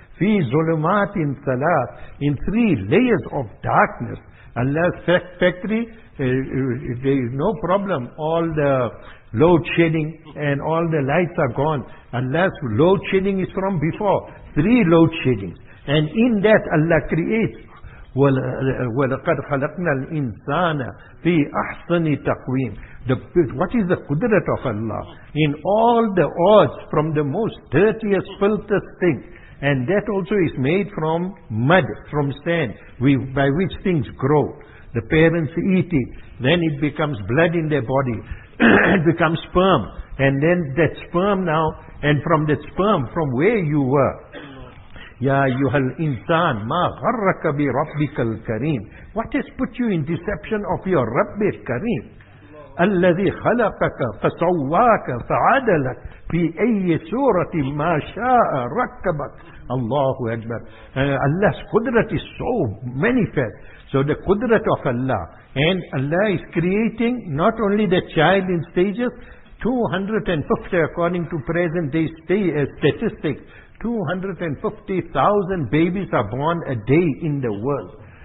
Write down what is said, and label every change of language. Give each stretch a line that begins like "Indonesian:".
Arabic: فِي ظُلُمَاتٍ ثَلَاثٍ,
English: in three layers of darkness. Allah's factory, there is no problem. All the load shedding and all the lights are gone. Allah's load shedding is from before. Three load shedding. And in that Allah creates,
Arabic: وَلَقَدْ خَلَقْنَا الْإِنسَانَ فِي أَحْسَنِ تَقْوِيمٍ.
English: What is the qudrat of Allah? In all the odds, from the most dirtiest, filthiest thing, and that also is made from mud, from sand, by which things grow. The parents eat it, then it becomes blood in their body, it becomes sperm, and then that sperm now, and from that sperm, from where you were,
Arabic: Ya ayyuhal insan, ma gharraka bi rabbikal kareem.
English: What has put you in deception of your Rabbir kareem?
Arabic: الذي خلقك فسواك فعدلك في أي سورة ما شاء ركبك. الله أكبر.
English: Allah's qudrat is so manifest. So the qudrat of Allah. And Allah is creating not only the child in stages, 250 according to present day statistics, 250,000 babies are born a day in the world.